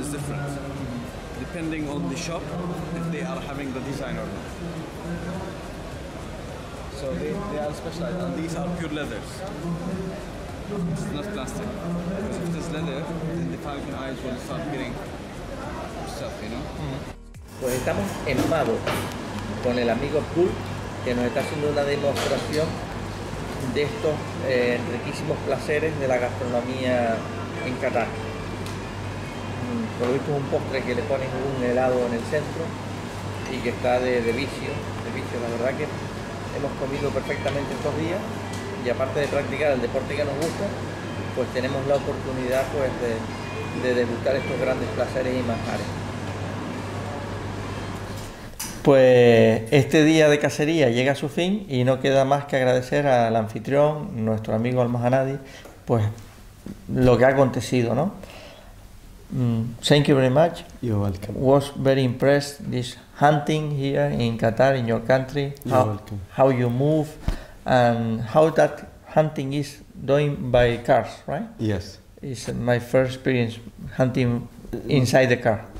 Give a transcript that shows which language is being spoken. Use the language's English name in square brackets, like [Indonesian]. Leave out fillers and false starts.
[English] Depending on the shop, if they are having the design or not. So they are specialized, and these are pure leathers. It's not plastic. Because if it's leather, then the falcon eyes will start getting stuff, you know? [Spanish] Pues estamos en Mabo con el amigo Kurt que nos está haciendo una demostración de estos riquísimos placeres de la gastronomía en Qatar. Por lo visto es un postre que le ponen un helado en el centro y que está de vicio, la verdad que hemos comido perfectamente estos días, y aparte de practicar el deporte que nos gusta, pues tenemos la oportunidad pues de degustar estos grandes placeres y manjares. Pues este día de cacería llega a su fin y no queda más que agradecer al anfitrión, nuestro amigo Al-Mahanadi, pues lo que ha acontecido, ¿no? [English] Thank you very much. You're welcome. Was very impressed this hunting here in Qatar, in your country. You're welcome. How you move and how that hunting is doing by cars, right? Yes. It's my first experience hunting inside the car.